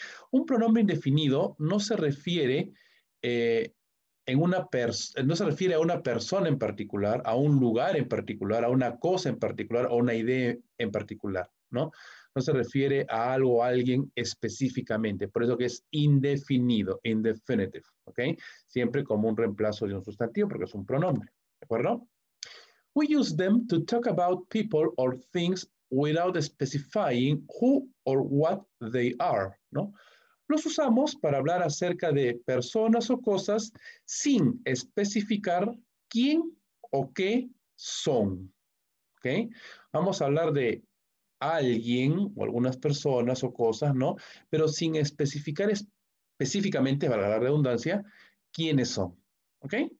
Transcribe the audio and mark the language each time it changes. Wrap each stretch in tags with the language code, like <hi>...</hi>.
<es>Un pronombre indefinido no se refiere en una no se refiere a una persona en particular, a un lugar en particular, a una cosa en particular o una idea en particular, ¿no? No se refiere a algo o a alguien específicamente, por eso que es indefinido, indefinitive, ¿ok? Siempre como un reemplazo de un sustantivo porque es un pronombre, ¿de acuerdo?</es> <en>We use them to talk about people or things without specifying who or what they are, ¿no?</en> <es>Los usamos para hablar acerca de personas o cosas sin especificar quién o qué son. ¿Okay? Vamos a hablar de alguien o algunas personas o cosas, ¿no? Pero sin especificar específicamente, valga la redundancia, quiénes son. ¿Okay?</es>